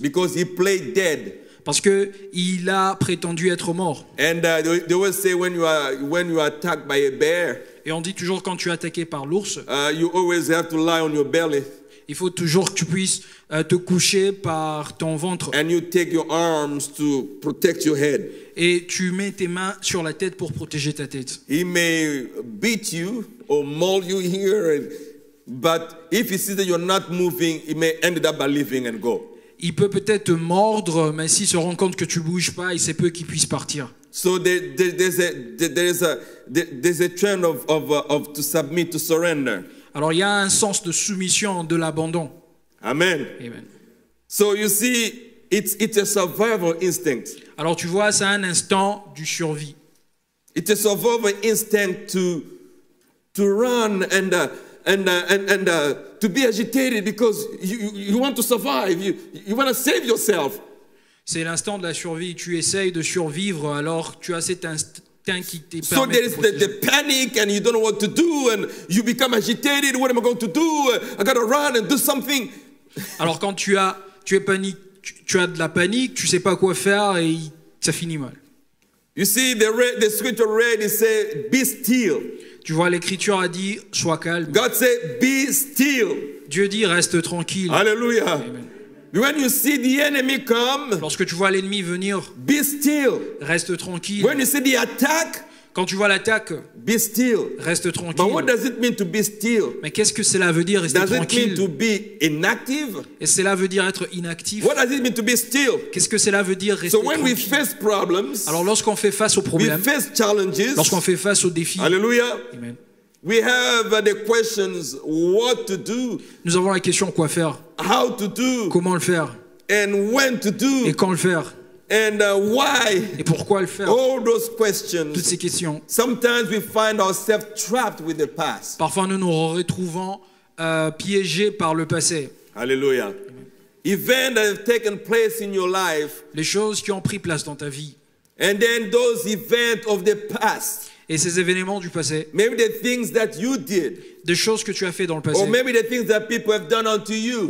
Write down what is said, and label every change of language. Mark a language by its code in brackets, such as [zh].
[en] Because he played dead. [fr] Parce que il a prétendu être mort. [en] And they always say when you are attacked by a bear. [fr] Et on dit toujours quand tu es attaqué par l'ours. [en] You always have to lie on your belly. [fr] Il faut toujours que tu puisses te coucher par ton ventre. [en] And you take your arms to protect your head. [fr] Et tu mets tes mains sur la tête pour protéger ta tête. [en] He may beat you or maul you here. But if he sees that you're not moving, he may end up by leaving and go. [fr] Il peut peut-être te mordre, mais s'il se rend compte que tu bouges pas, il sait peu qu'il puisse partir. [en] So there's a train of to submit, to surrender. [fr] Alors il y a un sens de soumission, de l'abandon. Amen. Amen. [en] So you see, it's a survival instinct. [fr] Alors tu vois, c'est un instinct du survie. [en] It's a survival instinct to run and. And to be agitated because you want to survive, you want to save yourself. [fr] C'est l'instant de la survie. Tu essayes de survivre, alors tu as cet instinct qui te permet. [en] So there is the panic, and you don't know what to do, and you become agitated. What am I going to do? I got to run and do something. [fr] Alors quand tu as de la panique, tu sais pas quoi faire et ça finit mal. [en] You see, the scripture read it says, "Be still." [fr] Tu vois, l'Écriture a dit, sois calme. [en] God said, be still. [fr] Dieu dit, reste tranquille. [en] Alléluia. When you see the enemy come, [fr] lorsque tu vois l'ennemi venir, [en] be still. [fr] Reste tranquille. [en] When you see the attack, [fr] quand tu vois l'attaque, [en] be still. [fr] Reste tranquille. [en] But what does it mean to be still? [fr] Mais qu'est-ce que cela veut dire, rester tranquille? [en] Does it mean to be inactive? [fr] Et cela veut dire être inactif? [en] What does it mean to be still? [fr] Qu'est-ce que cela veut dire, rester tranquille? [en] So when [fr] tranquille? [en] We face problems, [fr] alors lorsqu'on fait face aux problèmes, [en] we face challenges, [fr] lorsqu'on fait face aux défis, alléluia, amen. [en] We have the questions, what to do? [fr] Nous avons la question quoi faire? [en] How to do? [fr] Comment le faire? [en] And when to do? [fr] Et quand le faire? [en] And why? [fr] Et pourquoi le faire? [en] All those questions. [fr] Toutes ces questions. [en] Sometimes we find ourselves trapped with the past. [fr] Parfois nous nous retrouvons piégés par le passé. Hallelujah. [en] Events that have taken place in your life. [fr] Les choses qui ont pris place dans ta vie. [en] And then those events of the past. [fr] Et ces événements du passé. [en] Maybe the things that you did. [fr] Des choses que tu as fait dans le passé. [en] Or maybe the things that people have done unto you.